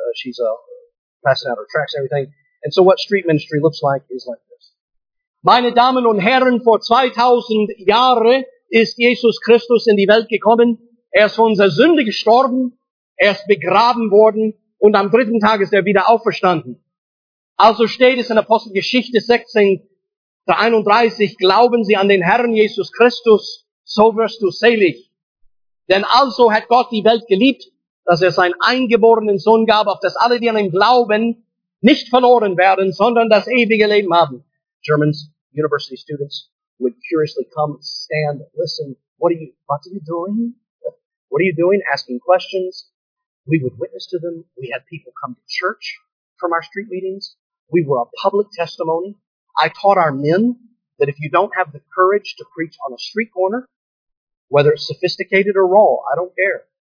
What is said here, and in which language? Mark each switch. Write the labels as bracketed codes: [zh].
[en] She's passing out her tracts and everything. And so what street ministry looks like is like this. [de] Meine Damen und Herren, vor 2000 Jahre ist Jesus Christus in die Welt gekommen. Ist für unsere Sünde gestorben. Ist begraben worden. Und am dritten Tag ist wieder auferstanden. Also steht es in Apostelgeschichte 16:31, glauben Sie an den Herrn Jesus Christus, so wirst du selig. Denn also hat Gott die Welt geliebt, dass er seinen eingeborenen Sohn gab, auf dass alle, die an ihn glauben, nicht verloren werden, sondern das ewige Leben haben. [en] Germans, university students, would curiously come, stand, listen. What are you doing? What are you doing? Asking questions. We would witness to them. We had people come to church from our street meetings. We were a public testimony. I taught our men that if you don't have the courage to preach on a street corner, whether it's sophisticated or raw, I don't care.